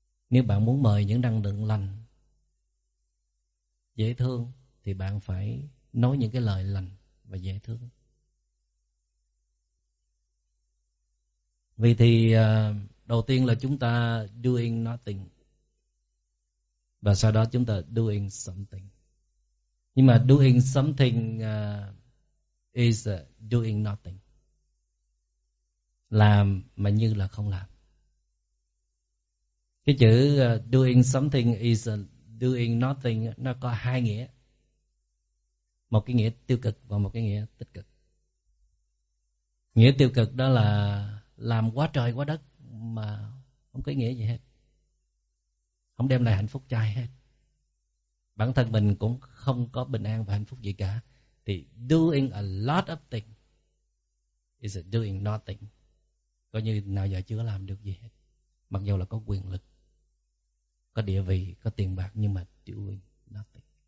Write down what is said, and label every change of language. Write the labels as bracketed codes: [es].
[vi] Nếu bạn muốn mời những năng lượng lành, dễ thương, thì bạn phải nói những cái lời lành và dễ thương. Vì thì đầu tiên là chúng ta [en] doing nothing, [vi] và sau đó chúng ta [en] doing something. [vi] Nhưng mà [en] doing something is doing nothing. [vi] Làm mà như là không làm. Cái chữ [en] doing something is doing nothing [vi] nó có hai nghĩa. Một cái nghĩa tiêu cực và một cái nghĩa tích cực. Nghĩa tiêu cực đó là làm quá trời quá đất mà không có ý nghĩa gì hết, không đem lại hạnh phúc cho ai hết, bản thân mình cũng không có bình an và hạnh phúc gì cả. Thì [en] doing a lot of things is doing nothing. [vi] Coi như nào giờ chưa làm được gì hết, mặc dù là có quyền lực, có địa vị, có tiền bạc, nhưng mà [en] doing nothing.